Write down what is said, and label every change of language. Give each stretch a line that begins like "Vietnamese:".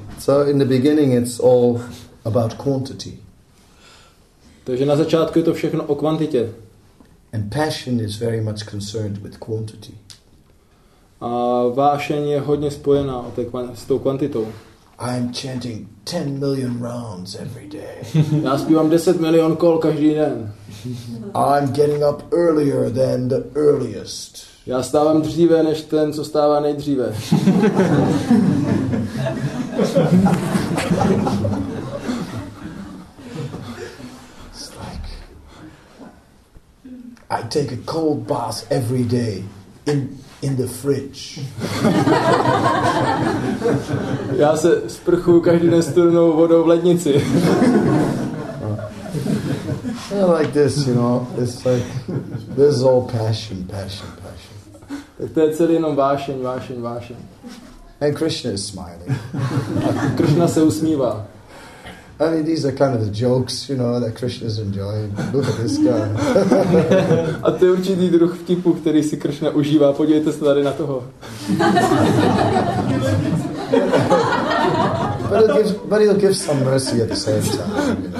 English: So in the beginning it's all about quantity.
Czech: Takže na začátku je to všechno o kvantitě.
English: And passion is very much concerned with quantity.
Czech: A vášeň je hodně spojená s tou kvantitou.
English: I'm chanting 10 million rounds every day.
Czech: Já zpívám 10 milion kol každý den.
English: I'm getting up earlier than the earliest.
Czech: Já stávám dříve než ten, co stává nejdříve.
English: It's like I take a cold bath every day in the fridge.
Czech: Já se sprchuju každý den studenou vodou v lednici.
English: I like this, you know. It's like this is all passion, passion, passion.
Czech: Tak to je celý jenom vášeň, vášeň, vášeň.
English: And Krishna is smiling.
Czech: A Krishna se usmívá.
English: I mean, these are kind of the jokes, you know, that Krishna is enjoying. Look at this guy.
Czech: A to je určitý druh vtipu, který si Krishna užívá. Podívejte se tady na toho.
English: But he'll give some mercy at the same time.